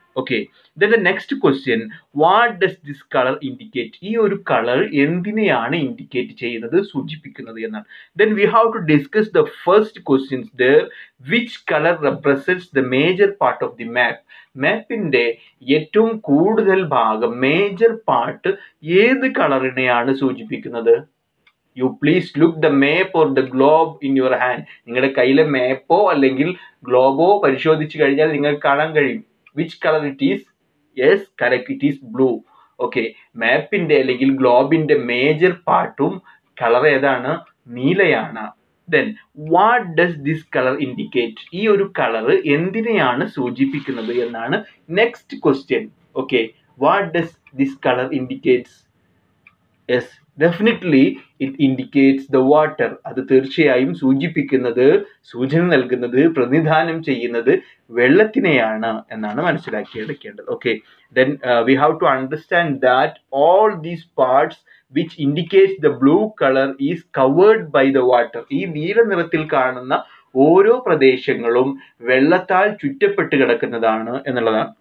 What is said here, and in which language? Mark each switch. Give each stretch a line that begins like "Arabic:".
English: okay, then the next question, what does this colour indicate,
Malayalam: ഈ ഒരു colour എന്തിനെയാണ് indicate ചെയ്യുന്നത് സൂചിപ്പിക്കുന്നത് എന്നാണ്.
English: then we have to discuss the first questions there, which colour represents the major part of the map,
Malayalam: മാപ്പിന്റെ ഏറ്റവും കൂടുതൽ ഭാഗം major part ഏത് കളറിനെയാണ് സൂചിപ്പിക്കുന്നത്.
English: You please look the map or the globe in your hand.
Malayalam: നിങ്ങളുടെ കയ്യിലെ മാപ്പോ അല്ലെങ്കിൽ ഗ്ലോബോ പരിശോധിച്ച് കഴിഞ്ഞാൽ നിങ്ങൾക്ക് കാണാൻ കഴിയും.
English: Which color it is? Yes, correct, it is blue. Okay,
Malayalam: മാപ്പിന്റെ അല്ലെങ്കിൽ ഗ്ലോബിന്റെ മേജർ പാർട്ടും കളർ ഏതാണ്? നീലയാണ്.
English: then what does this colour indicate,
Malayalam: ഈ ഒരു കളർ എന്തിനെയാണ് സൂചിപ്പിക്കുന്നത് എന്നാണ് next question.
English: Okay, what does this colour indicates? Yes, definitely it indicates the water.
Malayalam: അത് തീർച്ചയായും സൂചിപ്പിക്കുന്നത്, സൂചന നൽകുന്നത്, പ്രതിനിധാനം ചെയ്യുന്നത് വെള്ളത്തിനെയാണ് എന്നാണ് മനസ്സിലാക്കിയെടുക്കേണ്ടത്.
English: okay, then we have to understand that all these parts which indicates the blue colour is covered by the water,
Malayalam: ഈ നീല നിറത്തിൽ കാണുന്ന ഓരോ പ്രദേശങ്ങളും വെള്ളത്താൽ ചുറ്റപ്പെട്ട് കിടക്കുന്നതാണ് എന്നുള്ളതാണ്.